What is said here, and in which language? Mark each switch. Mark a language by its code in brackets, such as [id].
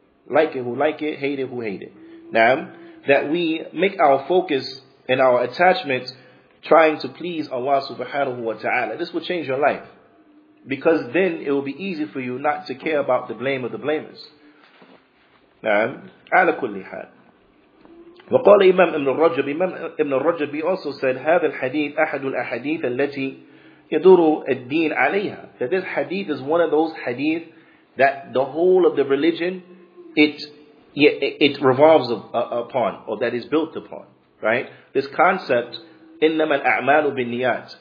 [en] Like it who like it, hate it who hate it. Naam, that we make our focus and our attachment trying to please Allah subhanahu wa ta'ala. This will change your life, because then it will be easy for you not to care about the blame of the blamers. [ar] Naam, ala kulli hal. وقال إمام ابن الرجب. إمام ابن الرجب [en] also said [ar] هذا الحديث أحد الأحاديث التي يدور الدين عليها. [en] That this hadith is one of those hadith that the whole of the religion it revolves upon, or that is built upon. Right? This concept, [ar] إنما الأعمال بالنيات.